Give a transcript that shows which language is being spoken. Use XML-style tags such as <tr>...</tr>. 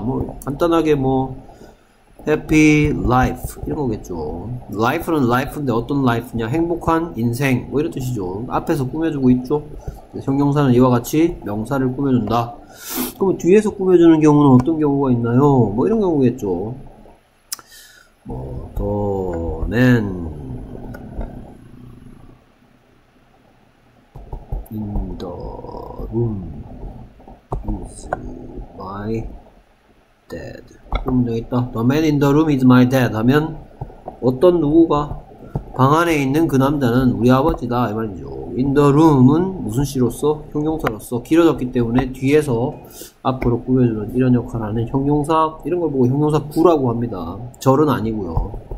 <ko>뭐 간단하게 뭐</ko> <en>happy life</en> <ko>이런 거겠죠. life는 life인데 어떤 life냐? 행복한 인생 뭐 이런 뜻이죠. 앞에서 꾸며주고 있죠. 형용사는 이와 같이 명사를 꾸며준다. 그럼 뒤에서 꾸며주는 경우는 어떤 경우가 있나요? 뭐 이런 경우겠죠. 뭐</ko> <en>the man in the room is my dad.</en> <ko>그러면 여기 있다.</ko> <en>The man in the room is my dad.</en> <ko>하면 어떤 누구가 방 안에 있는 그 남자는 우리 아버지다 이 말이죠.</ko> <en>In the room</en> <ko>은 무슨 시로서? 형용사로서 길어졌기 때문에 뒤에서 앞으로 꾸며주는 이런 역할을 하는 형용사. 이런 걸 보고 형용사 구라고 합니다. 절은 아니고요.</ko>